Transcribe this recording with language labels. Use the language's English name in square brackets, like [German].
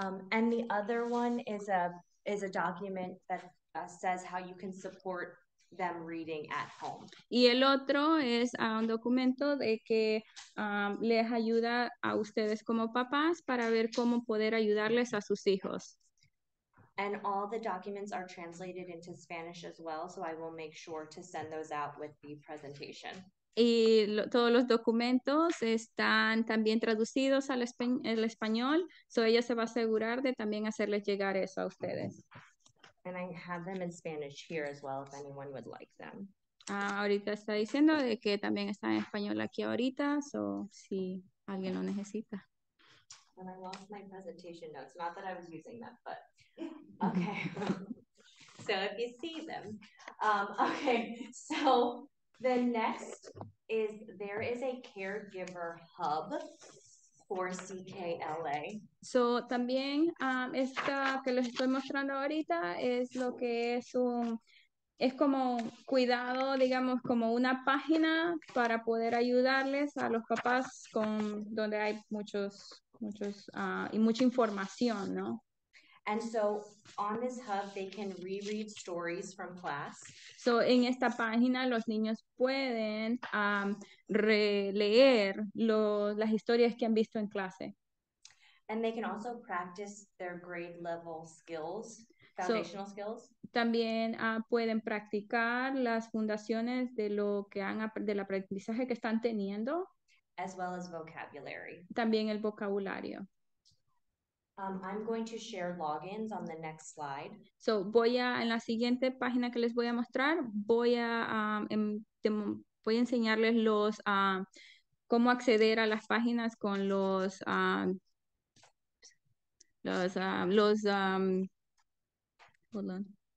[English] And the other one is a document that says how you can support them reading at home. [Spanish] Y el otro es un documento de que les ayuda a ustedes como papás para ver cómo poder ayudarles a sus hijos. [English] And all the documents are translated into Spanish as well, so I will make sure to send those out with the presentation. [Spanish] Y todos los documentos están también traducidos al español, so ella se va a asegurar de también hacerles llegar eso a ustedes. [English] And I have them in Spanish here as well, if anyone would like them. [Spanish] Ahorita está diciendo de que también está en español aquí ahorita, so si alguien lo necesita. [English] And I lost my presentation notes, not that I was using them, but okay. So if you see them. Okay, so the next is there is a caregiver hub for CKLA. [Spanish] So también esta que les estoy mostrando ahorita es lo que es es como cuidado, digamos, como una página para poder ayudarles a los papás con donde hay muchos y mucha información, ¿no? [English] And so on this hub they can reread stories from class. [Spanish] So en esta página los niños pueden releer las historias que han visto en clase. [English] And they can also practice their grade level skills. foundational skills. [Spanish] También pueden practicar las fundaciones de lo que han del aprendizaje que están teniendo. [English] As well as vocabulary. [Spanish] También el vocabulario. [English] I'm going to share logins on the next slide. [Spanish] So voy a, en la siguiente página que les voy a mostrar, voy a, voy a enseñarles los, cómo acceder a las páginas con los, [English] hold on.